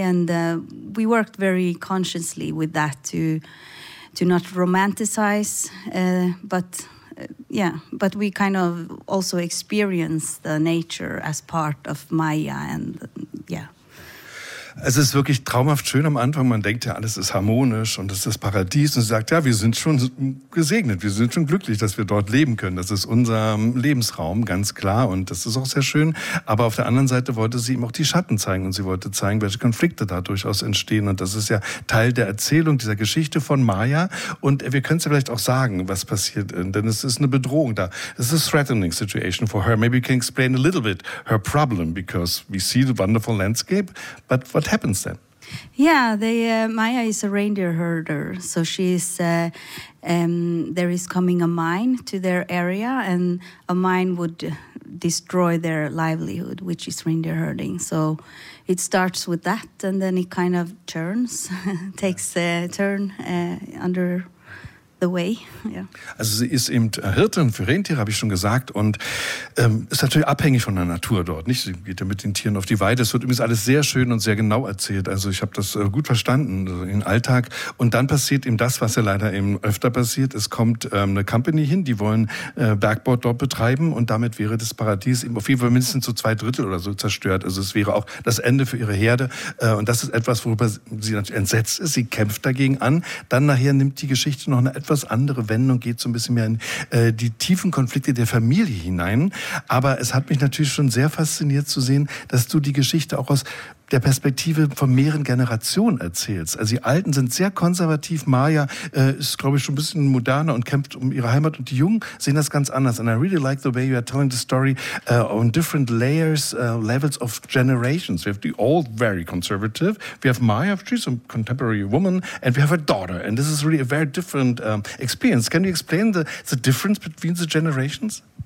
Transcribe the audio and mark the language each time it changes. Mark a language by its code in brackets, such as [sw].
[en] And we worked very consciously with that to not romanticize, but we kind of also experience the nature as part of Maya . [de] Es ist wirklich traumhaft schön am Anfang. Man denkt ja, alles ist harmonisch und es ist das Paradies. Und sie sagt, ja, wir sind schon gesegnet. Wir sind schon glücklich, dass wir dort leben können. Das ist unser Lebensraum, ganz klar. Und das ist auch sehr schön. Aber auf der anderen Seite wollte sie ihm auch die Schatten zeigen. Und sie wollte zeigen, welche Konflikte da durchaus entstehen. Und das ist ja Teil der Erzählung, dieser Geschichte von Maya. Und wir können es ja vielleicht auch sagen, was passiert. Denn es ist eine Bedrohung da. Es ist [en] a threatening situation for her. Maybe you can explain a little bit her problem, because we see the wonderful landscape. But what happens then? Yeah, Maya is a reindeer herder, so she is. There is coming a mine to their area, and a mine would destroy their livelihood, which is reindeer herding. So it starts with that, and then it kind of turns, takes a turn under the way. Yeah. [de] Also sie ist eben Hirtin für Rentiere, habe ich schon gesagt, und ist natürlich abhängig von der Natur dort, nicht? Sie geht ja mit den Tieren auf die Weide. Es wird übrigens alles sehr schön und sehr genau erzählt. Also ich habe das gut verstanden, also im Alltag. Und dann passiert eben das, was ja leider eben öfter passiert. Es kommt eine Company hin, die wollen Bergbau dort betreiben, und damit wäre das Paradies eben auf jeden Fall mindestens so zwei Drittel oder so zerstört. Also es wäre auch das Ende für ihre Herde. Und das ist etwas, worüber sie natürlich entsetzt ist. Sie kämpft dagegen an. Dann nachher nimmt die Geschichte noch eine etwas andere Wendung, geht so ein bisschen mehr in die tiefen Konflikte der Familie hinein. Aber es hat mich natürlich schon sehr fasziniert zu sehen, dass du die Geschichte auch aus der Perspektive von mehreren Generationen erzählst. Also die Alten sind sehr konservativ. Maya ist, glaube ich, schon ein bisschen moderner und kämpft um ihre Heimat. Und die Jungen sehen das ganz anders. [en] And I really like the way you are telling the story on different layers, levels of generations. We have the old, very conservative. We have Maya, she's a contemporary woman. And we have a daughter. And this is really a very different experience. Can you explain the difference between the generations?